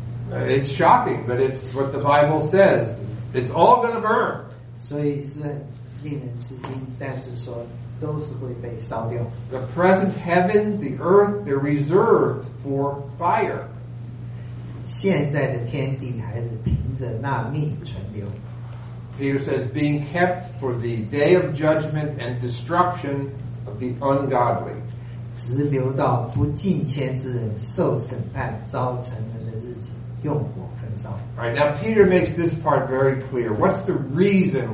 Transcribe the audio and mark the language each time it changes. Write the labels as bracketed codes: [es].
[en] It's shocking, but it's what the Bible says. It's all going to burn. [zh] 所以是令人吃惊，但是说都是会被烧掉。 [en] The present heavens, the earth, they're reserved for fire. [zh] 现在的天地还是凭着那命存留。 [en] Peter says, being kept for the day of judgment and destruction of the ungodly. [zh] 直流到不敬虔之人受审判遭沉沦的日子用火焚烧 [en] Alright, now Peter makes this part very clear. What's the reason?